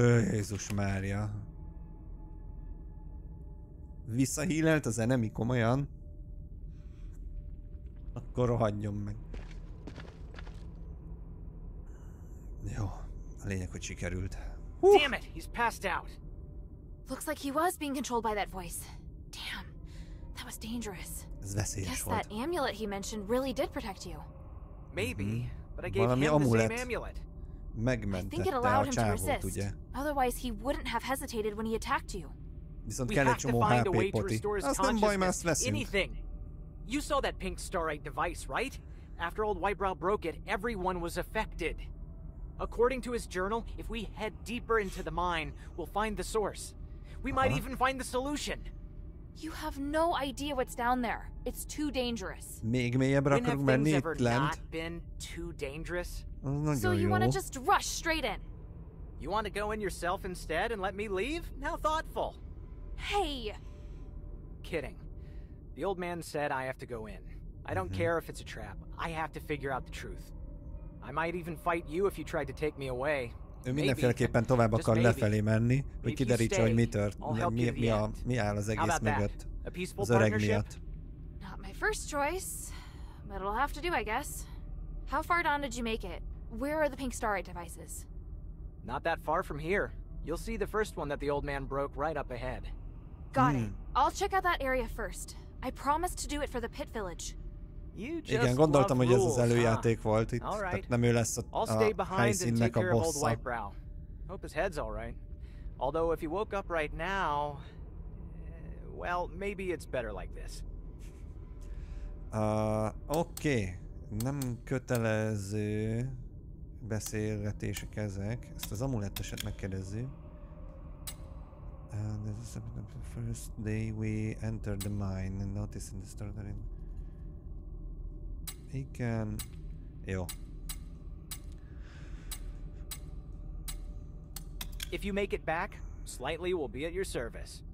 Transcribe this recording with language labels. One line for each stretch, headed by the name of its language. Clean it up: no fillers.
Hungarian: Jézus Mária. Visszahílelt az enemy, komolyan? Akkor rohadjon meg. Jó, a lényeg, hogy sikerült.
English: Damn it, he's passed out. Looks like he was being controlled by that voice. Damn, that was dangerous.
Hungarian: Ez veszélyes volt.
English: Guess that amulet he mentioned really did protect you. Maybe, but I gave him the same amulet.
Hungarian: Megmentette.
English: I think it allowed him to resist. Otherwise, he wouldn't have hesitated when he attacked you.
Hungarian: Viszont kell egy csomó HP-t, Poti. Azt nem baj, mert ezt veszünk.
English: Anything. You saw that pink starite device, right? After old Whitebrow broke it, everyone was affected. According to his journal, if we head deeper into the mine, we'll find the source. We might even find the solution. You have no idea what's down there. It's too dangerous.
Hungarian: Még mélyebbre akarunk menni itt lent?
English: When have things ever not been too dangerous? So you want to just rush straight in? You want to go in yourself instead and let me leave? How thoughtful. Hey! Kidding. The old man said I have to go in. I don't care if it's a trap. I have to figure out the truth. I might even fight you if you tried to take me away.
Hungarian: Ő mindenféleképpen tovább akar lefelé menni, hogy kiderítse, hogy mi tört, mi áll az egész mögött, az öreg miatt.
English: Not my first choice, but it'll have to do, I guess. How far down did you make it? Where are the pink starite devices? Not that far from here. You'll see the first one that the old man broke right up ahead. Got it. I'll check out that area first. I promised to do it for the pit village.
Hungarian: Igen, gondoltam, hogy ez az előjáték volt itt, tehát nem ő lesz a helyszínnek a bossza.
English: Hope his head's alright. Although if he woke up right now, well, maybe it's better like this.
Hungarian: Oké, nem kötelező beszélgetések ezek. Ezt az amuletteset megkérdezzük.
English: This is the first day we entered the mine and noticed the struggle.
Hungarian: Igen. Jó.
English: If you make it back, slightly will be at your service.